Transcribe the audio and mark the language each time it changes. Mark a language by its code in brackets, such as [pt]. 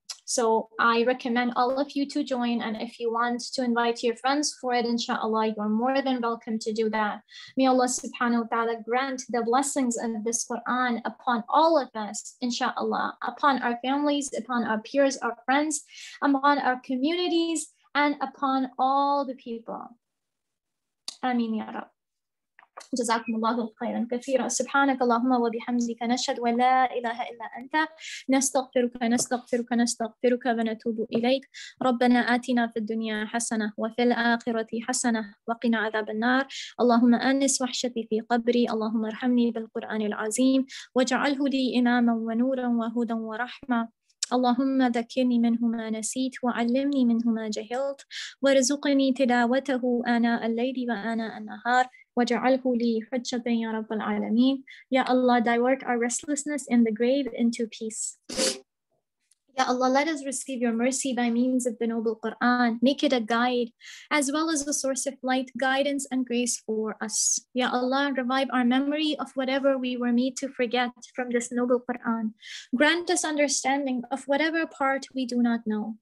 [en] So I recommend all of you to join. And if you want to invite your friends for it, insha'Allah, you're more than welcome to do that. May Allah subhanahu wa ta'ala grant the blessings of this Quran upon all of us, insha'Allah, upon our families, upon our peers, our friends, upon our communities, and upon all the people. Ameen, ya Rab. [ar] جزاكم الله خيرا كثيرا سبحانك اللهم وبحمدك نشهد ولا إله إلا أنت نستغفرك نستغفرك نستغفرك ونتوب إليك ربنا آتنا في الدنيا حسنة وفي الآخرة حسنة وقنا عذاب النار اللهم أنس وحشتي في قبري اللهم ارحمني بالقرآن العظيم واجعله لي إماما ونورا وهدى ورحمة اللهم ذكرني منه ما نسيت وعلمني منه ما جهلت وارزقني تلاوته آناء الليل وآناء النهار وَجَعَلْهُ لِي حُجَّةً يَا رَبَّ الْعَالَمِينَ [en] Ya Allah, divert our restlessness in the grave into peace. Ya Allah, let us receive your mercy by means of the noble Quran. Make it a guide as well as a source of light, guidance, and grace for us. Ya Allah, revive our memory of whatever we were made to forget from this noble Quran. Grant us understanding of whatever part we do not know.